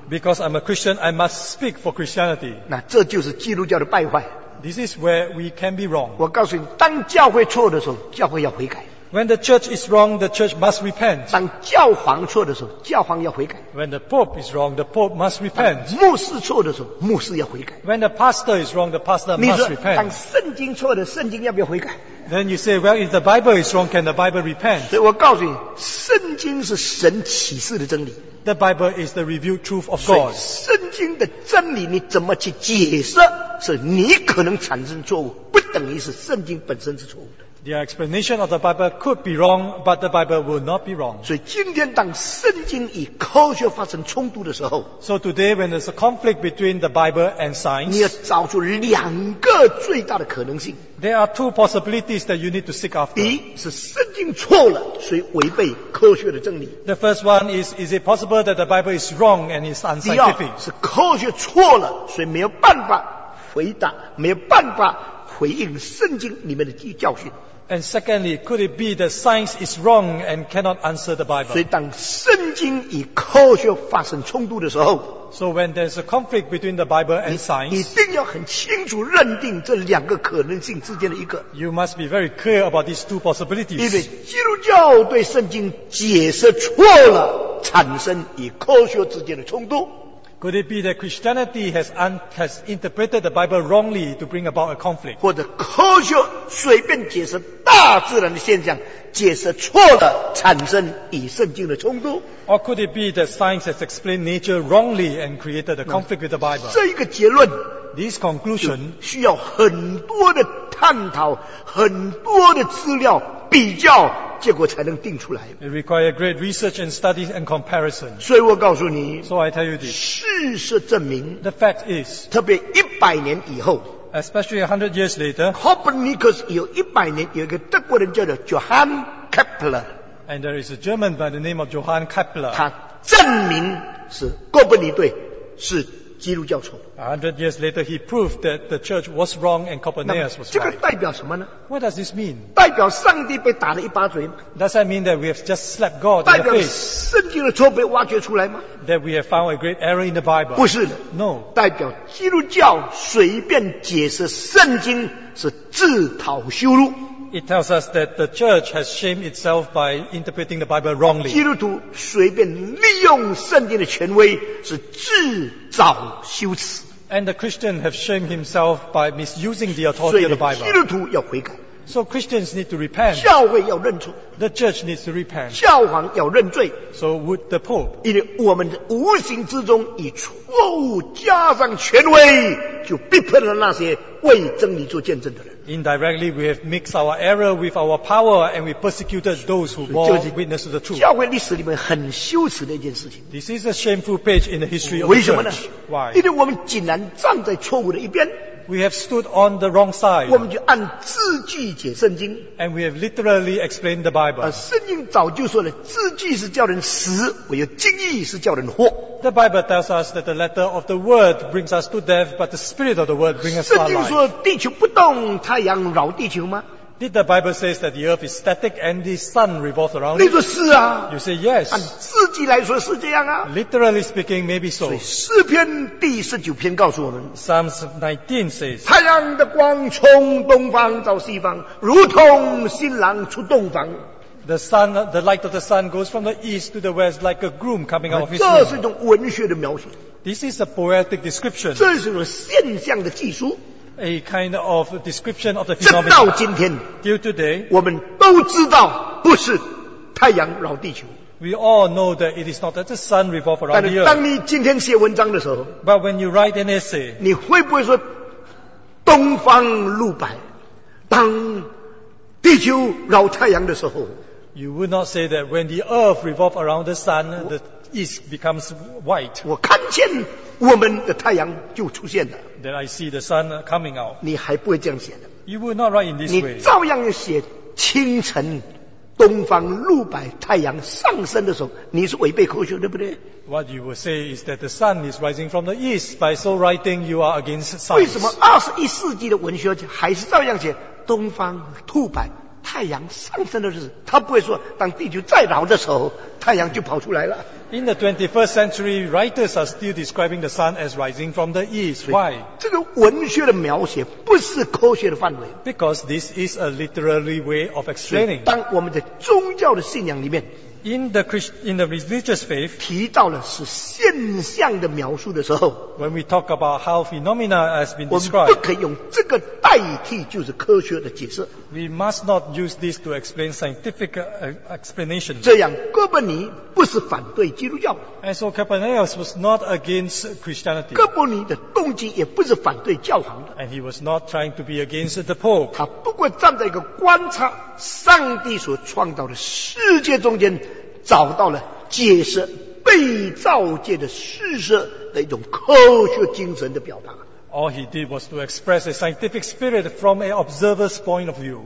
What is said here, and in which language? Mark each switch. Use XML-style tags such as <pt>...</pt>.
<en>Because I'm a Christian, I must speak for Christianity.</en> <zh>那这就是基督教的败坏。</zh> <en>This is where we can be wrong.</en> <zh>我告诉你，当教会错的时候，教会要悔改。</zh> <en>When the church is wrong, the church must repent.</en> <zh>当教皇错的时候，教皇要悔改。</zh> <en>When the pope is wrong, the pope must repent.</en> <zh>牧师错的时候，牧师要悔改。</zh> <en>When the pastor is wrong, the pastor must repent.</en> <zh>当圣经错的，圣经要不要悔改？</zh> <en>Then you say, well, if the Bible is wrong, can the Bible repent?</en> <zh>所以我告诉你，圣经是神启示的真理。</zh> <en>The Bible is the revealed truth of God.</en> <zh>所以圣经的真理你怎么去解释？是你可能产生错误，不等于是圣经本身是错误的。</zh> <en>The explanation of the Bible could be wrong, but the Bible will not be wrong.</en> <zh>所以今天当圣经与科学发生冲突的时候，</zh> <en>So today when there's a conflict between the Bible and science,</en> <zh>你要找出两个最大的可能性。</zh> <en>There are two possibilities that you need to seek after.</en> <zh>第一，是圣经错了，所以违背科学的真理。</zh> <en>The first one is it possible that the Bible is wrong and it's unscientific?</en> <zh>第二，是科学错了，所以没有办法回答，没有办法回应圣经里面的教训。</zh> <en>And secondly, could it be that science is wrong and cannot answer the Bible?</en> <zh>所以当圣经与科学发生冲突的时候，</zh> <en>So when there's a conflict between the Bible and science,</en> <zh>你一定要很清楚认定这两个可能性之间的一个。</zh> <en>You must be very clear about these two possibilities.</en> <zh>因为基督教对圣经解释错了，产生与科学之间的冲突。</zh> <en>Could it be that Christianity has interpreted the Bible wrongly to bring about a conflict?</en> <zh>或者科学随便解释大自然的现象，解释错了，产生与圣经的冲突？</zh> <en>Or could it be that science has explained nature wrongly and created a conflict with the Bible?</en> <zh>这一个结论，</zh> <en>This conclusion</en> <zh>需要很多的探讨，很多的资料比较，结果才能定出来。</zh> <en>It requires great research and studies and comparison.</en> <zh>所以我告诉你，</zh> <en>So I tell you this.</en> <zh>事实证明，</zh> <en>The fact is,</en> <zh>特别一百年以后，</zh> <en>Especially 100 years later,</en> <zh>Copernicus 有一百年，有一个德国人叫做 Johann Kepler。</zh> <en>And there is a German by the name of Johann Kepler.</en> <zh>他证明是哥布尼对是基督教错。</zh> <en>100 years later, he proved that the church was wrong and Copernicus was right.</en> <zh>这个代表什么呢？</zh> <en>What does this mean?</en> <zh>代表上帝被打了一巴掌。</zh> <en>Does that mean that we have just slapped God in the face?</en> <zh>代表圣经的错被挖掘出来吗？</zh> <en>That we have found a great error in the Bible?</en> <zh>不是的。</zh> <en>No.</en> <zh>代表基督教随便解释圣经是自讨羞辱。</zh> <en>It tells us that the church has shamed itself by interpreting the Bible wrongly.</en> <zh>基督徒随便利用圣经的权威是自找羞耻。</zh> <en>And the Christian have shamed himself by misusing the authority of the Bible.</en> <zh>基督徒要悔改。</zh> <en>So Christians need to repent.</en> <zh>教会要认错。</zh> <en>The church needs to repent.</en> <zh>教皇要认罪。</zh> <en>So would the Pope.</en> <zh>因为我们无形之中以错误加上权威，就逼迫了那些为真理做见证的人。</zh> <en>Indirectly, we have mixed our error with our power and we persecuted those who bore witness to the truth.</en> <zh>教会历史里面很羞耻的一件事情。</zh> <en>This is a shameful page in the history of the church.</en> <zh>为什么呢？</zh> <en>Why?</en> <zh>因为我们竟然站在错误的一边。</zh> <en>We have stood on the wrong side.</en> <zh>我们就按字句解圣经。</zh> <en>And we have literally explained the Bible.</en> <zh>圣经早就说了，字句是叫人死，唯有经义是叫人活。</zh> <en>The Bible tells us that the letter of the word brings us to death, but the spirit of the word brings us to life.</en> <zh>圣经说地球不动，太阳绕地球吗？</zh> <en>Did the Bible say that the earth is static and the sun revolves around it?</en> <zh>你说是啊。</zh> <en>You say yes.</en> <zh>按字句来说是这样啊。</zh> <en>Literally speaking, maybe so.</en> <zh>所以诗篇第十九篇告诉我们。</zh> <en>Psalms 19 says,</en> <zh>太阳的光从东方到西方，如同新郎出洞房。</zh> <en>The light of the sun goes from the east to the west like a groom coming out of his room.</en> <zh>这是一种文学的描写。</zh> <en>This is a poetic description.</en> <zh>这是一种现象的记述。</zh> <en>A kind of description of the phenomenon.</en> <zh>直到今天，</zh> <en>till today,</en> <zh>我们都知道不是太阳绕地球。</zh> <en>We all know that it is not that the sun revolves around the earth.</en> <zh>但当你今天写文章的时候，</zh> <en>But when you write an essay,</en> <zh>你会不会说东方露白，当地球绕太阳的时候？</zh> <en>You would not say that when the earth revolves around the sun, the east becomes white.</en> <zh>我看见我们的太阳就出现了。</zh> <en>Then I see the sun coming out.</en> <zh>你还不会这样写的。</zh> <en>You would not write in this way.</en> <zh>你照样要写清晨，东方露白，太阳上升的时候，你是违背科学，对不对？</zh> <en>What you would say is that the sun is rising from the east. By so writing, you are against science.</en> <zh>为什么21世纪的文学还是照样写东方露白，太阳上升的日子，他不会说当地球再绕的时候，太阳就跑出来了。</zh> <en>In the 21st century, writers are still describing the sun as rising from the east. Why?</en> <zh>这个文学的描写不是科学的范围。</zh> <en>Because this is a literary way of explaining.</en> <zh>当我们在宗教的信仰里面，</zh> <en>In the religious faith,</en> <zh>提到了是现象的描述的时候，</zh> <en>When we talk about how phenomena has been described,</en> <zh>我们不可以用这个代替就是科学的解释。</zh> <en>We must not use this to explain scientific explanation.</en> <zh>这样哥布尼不是反对基督教。</zh> <en>And so Copernicus was not against Christianity.</en> <zh>哥布尼的动机也不是反对教皇的。</zh> <en>And he was not trying to be against the Pope.</en> <zh>他不过站在一个观察上帝所创造的世界中间，找到了解释被造界的事实的一种科学精神的表达。</zh> <en>All he did was to express a scientific spirit from an observer's point of view.</en>